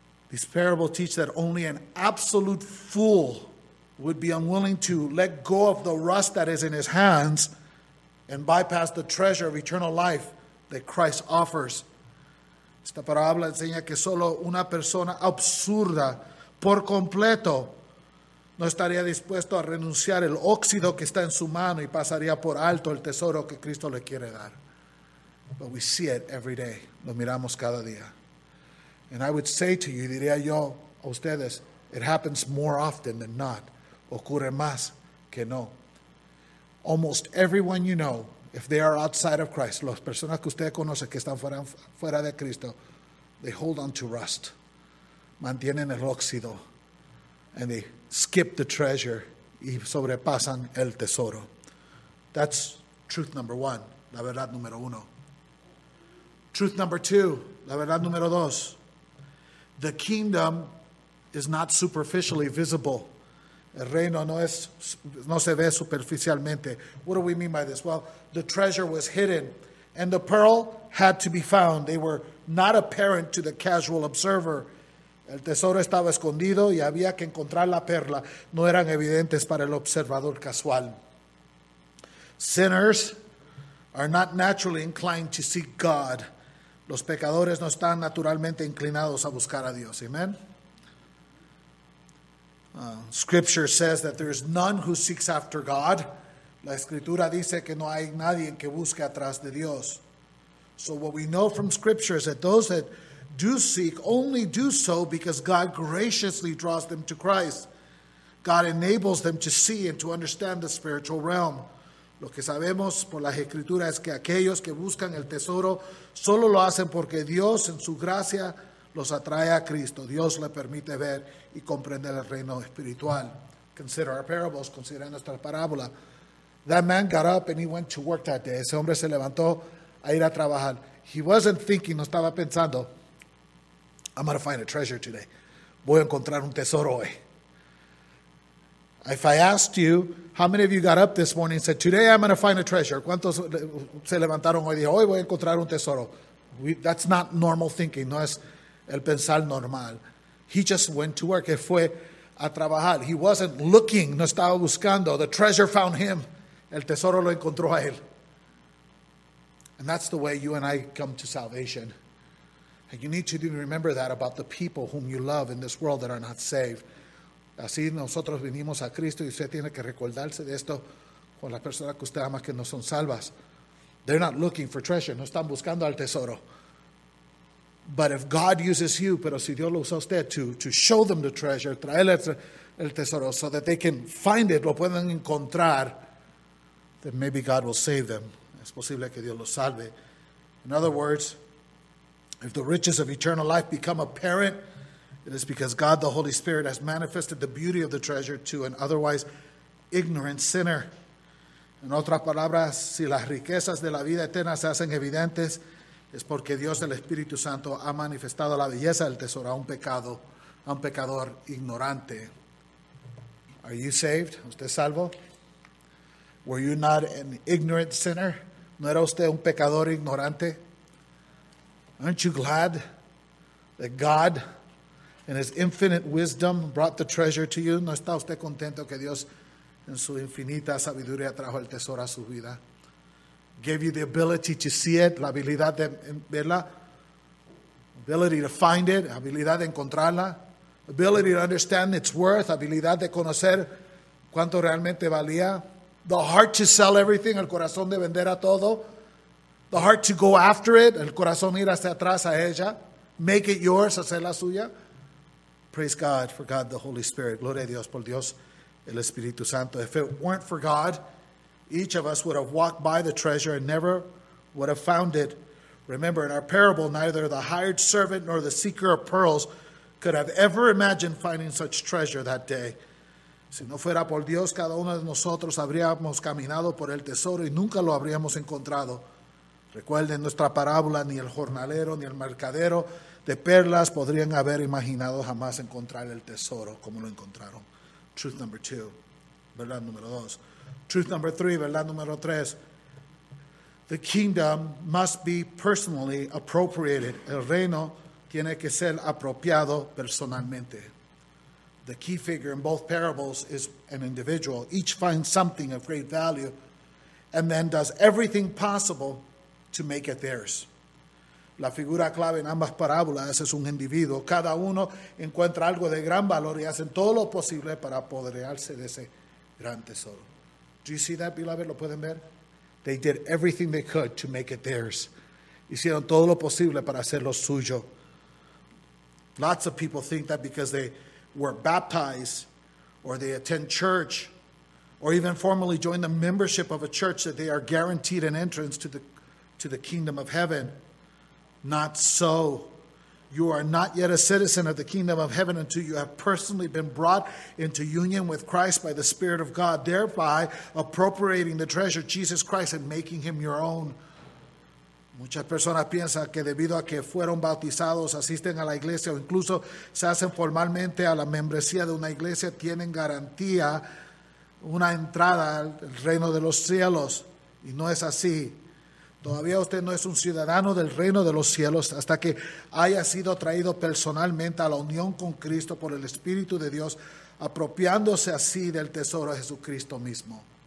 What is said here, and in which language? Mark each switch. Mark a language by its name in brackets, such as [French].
[English] These parables teach that only an absolute fool would be unwilling to let go of the rust that is in his hands and bypass the treasure of eternal life that Christ offers. [Spanish] Esta parábola enseña que solo una persona absurda por completo no estaría dispuesto a renunciar el óxido que está en su mano y pasaría por alto el tesoro que Cristo le quiere dar. [English] But we see it every day. [Spanish] Lo miramos cada día. [English] And I would say to you, [Spanish] diría yo a ustedes, [English] it happens more often than not. [Spanish] Ocurre más que no. [English] Almost everyone you know, if they are outside of Christ, [Spanish] las personas que usted conoce que están fuera de Cristo, [English] they hold on to rust. [Spanish] Mantienen el óxido. [English] And they skip the treasure [Spanish] y sobrepasan el tesoro. [English] That's truth number one, [Spanish] la verdad número uno. [English] Truth number two, [Spanish] la verdad número dos. [English] The kingdom is not superficially visible. [Spanish] El reino no se ve superficialmente. [English] What do we mean by this? Well, the treasure was hidden and the pearl had to be found. They were not apparent to the casual observer. [Spanish] El tesoro estaba escondido y había que encontrar la perla. No eran evidentes para el observador casual. [English] Sinners are not naturally inclined to seek God. [Spanish] Los pecadores no están naturalmente inclinados a buscar a Dios. [English] Amen. Scripture says that there is none who seeks after God. [Spanish] La escritura dice que no hay nadie que busque atrás de Dios. [English] So what we know from Scripture is that those that do seek only do so because God graciously draws them to Christ. God enables them to see and to understand the spiritual realm. [Spanish] Lo que sabemos por las escrituras es que aquellos que buscan el tesoro solo lo hacen porque Dios en su gracia los atrae a Cristo. Dios le permite ver y comprender el reino espiritual. [English] Consider our parables, [Spanish] considera nuestra parábola. [English] That man got up and he went to work that day. [Spanish] Ese hombre se levantó a ir a trabajar. [English] He wasn't thinking, [Spanish] no estaba pensando, [English] I'm going to find a treasure today. [Spanish] Voy a encontrar un tesoro hoy. [English] If I asked you, how many of you got up this morning and said, today I'm going to find a treasure? [Spanish] ¿Cuántos se levantaron hoy y dijeron, hoy voy a encontrar un tesoro? [English] That's not normal thinking. [Spanish] No es el pensar normal. [English] He just went to work. [Spanish] Él fue a trabajar. [English] He wasn't looking. [Spanish] No estaba buscando. [English] The treasure found him. [Spanish] El tesoro lo encontró a él. [English] And that's the way you and I come to salvation. And you need to remember that about the people whom you love in this world that are not saved. [Spanish] Así nosotros vinimos a Cristo y usted tiene que recordarse de esto con las personas que usted ama que no son salvas. [English] They're not looking for treasure. [Spanish] No están buscando al tesoro. [English] But if God uses you, [Spanish] pero si Dios lo usa usted [English] to show them the treasure, [Spanish] traerle el tesoro [English] so that they can find it, [Spanish] lo pueden encontrar, [English] then maybe God will save them. [Spanish] Es posible que Dios lo salve. [English] In other words, if the riches of eternal life become apparent, it is because God, the Holy Spirit, has manifested the beauty of the treasure to an otherwise ignorant sinner. [Spanish] En otras palabras, si las riquezas de la vida eterna se hacen evidentes, es porque Dios, el Espíritu Santo, ha manifestado la belleza del tesoro a un pecador ignorante. [English] Are you saved? [Spanish] ¿Usted salvo? [English] Were you not an ignorant sinner? [Spanish] ¿No era usted un pecador ignorante? [English] Aren't you glad that God, in his infinite wisdom, brought the treasure to you? [Spanish] ¿No está usted contento que Dios, en su infinita sabiduría, trajo el tesoro a su vida? [English] Gave you the ability to see it, [Spanish] la habilidad de verla, [English] ability to find it, [Spanish] habilidad de encontrarla, [English] ability to understand its worth, [Spanish] habilidad de conocer cuánto realmente valía, [English] the heart to sell everything, [Spanish] el corazón de vender a todo, [English] the heart to go after it, [Spanish] el corazón ir hacia atrás a ella, [English] make it yours, [Spanish] hacerla suya. [English] Praise God for God the Holy Spirit. [Spanish] Gloria a Dios por Dios el Espíritu Santo. [English] If it weren't for God, each of us would have walked by the treasure and never would have found it. Remember, in our parable, neither the hired servant nor the seeker of pearls could have ever imagined finding such treasure that day. [Spanish] Si no fuera por Dios, cada uno de nosotros habríamos caminado por el tesoro y nunca lo habríamos encontrado. Recuerden nuestra parábola, ni el jornalero ni el mercadero de perlas podrían haber imaginado jamás encontrar el tesoro como lo encontraron. [English] Truth number two, [Spanish] verdad número dos. [English] Truth number three, [Spanish] verdad número tres. [English] The kingdom must be personally appropriated. [Spanish] El reino tiene que ser apropiado personalmente. [English] The key figure in both parables is an individual. Each finds something of great value and then does everything possible to make it theirs. [Spanish] La figura clave en ambas parábolas es un individuo. Cada uno encuentra algo de gran valor y hacen todo lo posible para apoderarse de ese gran tesoro. [English] Do you see that, beloved? [Spanish] ¿Lo pueden ver? [English] They did everything they could to make it theirs. [Spanish] Hicieron todo lo posible para hacerlo suyo. [English] Lots of people think that because they were baptized or they attend church or even formally join the membership of a church that they are guaranteed an entrance to the kingdom of heaven. Not so. You are not yet a citizen of the kingdom of heaven until you have personally been brought into union with Christ by the Spirit of God, thereby appropriating the treasure of Jesus Christ and making him your own. [Spanish] Muchas personas piensan que debido a que fueron bautizados, asisten a la iglesia o incluso se hacen formalmente a la membresía de una iglesia, tienen garantía una entrada al reino de los cielos. Y no es así. Todavía usted no es un ciudadano del reino de los cielos hasta que haya sido traído personalmente a la unión con Cristo por el Espíritu de Dios, apropiándose así del tesoro de Jesucristo mismo.